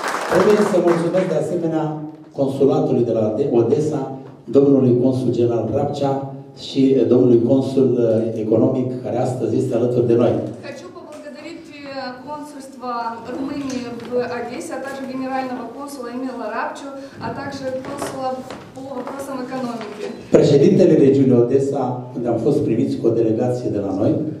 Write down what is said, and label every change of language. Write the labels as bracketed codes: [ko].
[ro] Trebuie să mulțumesc de asemenea consulatului de la Odessa, domnului consul general Rapcea și domnului consul economic care astăzi este alături de noi. [ru] Хочу поблагодарить консульство Румынии в Одессе, а также генерального консула Эмила Рапчу, а также консула по вопросам экономики. [ro] Președintele regiunii Odessa, unde am fost primiți cu o delegație de la noi,